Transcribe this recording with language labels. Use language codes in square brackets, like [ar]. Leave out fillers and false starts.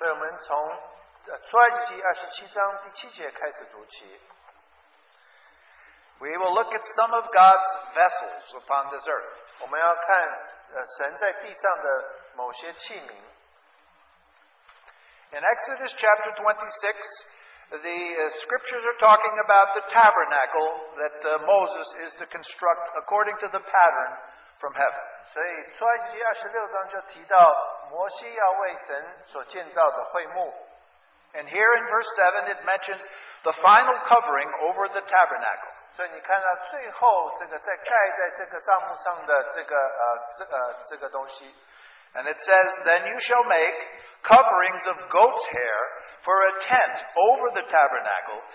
[zh] 所以我们从, 出埃及记 27章第7节开始读起。 [en] We will look at some of God's vessels upon this earth. [zh] 我们要看, 神在地上的某些器皿。 [en] In Exodus chapter 26, the scriptures are talking about the tabernacle that Moses is to construct according to the pattern from heaven. [zh] 所以出埃及记26章就提到摩西要为神所建造的会幕。 [en] And here in verse 7, it mentions the final covering over the tabernacle. [zh] 所以你看到最后这个在盖在这个帐幕上的这个东西。 [en] And it says, then you shall make coverings of goat's hair for a tent over the tabernacle.